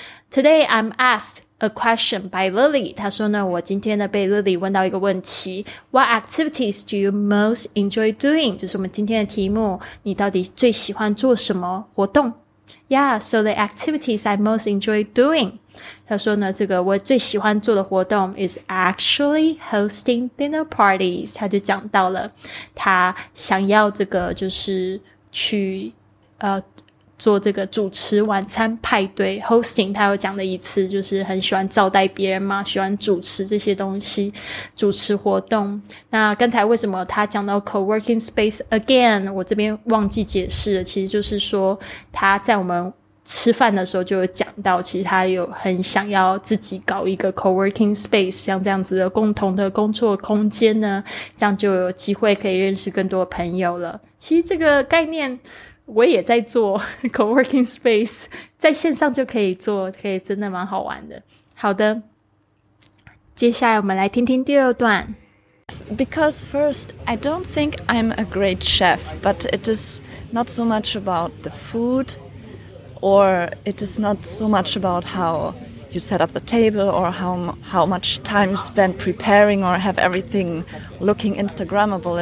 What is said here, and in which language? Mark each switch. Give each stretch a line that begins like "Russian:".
English: Today I'm asked a question by Lily，
Chinese: 他说呢我今天呢被 Lily 问到一个问题，
English: What activities do you most enjoy doing，
Chinese: 就是我们今天的题目，你到底最喜欢做什么活动？
English: Yeah， so the activities I most enjoy doing，
Chinese: 他说呢这个我最喜欢做的活动
English: is actually hosting dinner parties。
Chinese: 他就讲到了他想要这个就是去做这个主持晚餐派对 hosting， 他有讲的一次就是很喜欢招待别人嘛，喜欢主持这些东西，主持活动。那刚才为什么他讲到
English: co-working space again，
Chinese: 我这边忘记解释了，其实就是说他在我们吃饭的时候就有讲到，其实他有很想要自己搞一个 co-working space， 像这样子的共同的工作空间呢，这样就有机会可以认识更多朋友了。其实这个概念我也在做 co-working space， 在线上就可以做，可以真的蛮好玩的。好的，接下来我们来听听第二段。
English: Because first, I don't think I'm a great chef, but it is not so much about the food, or it is not so much about how you set up the table, or how much time you spend preparing, or have everything looking Instagrammable.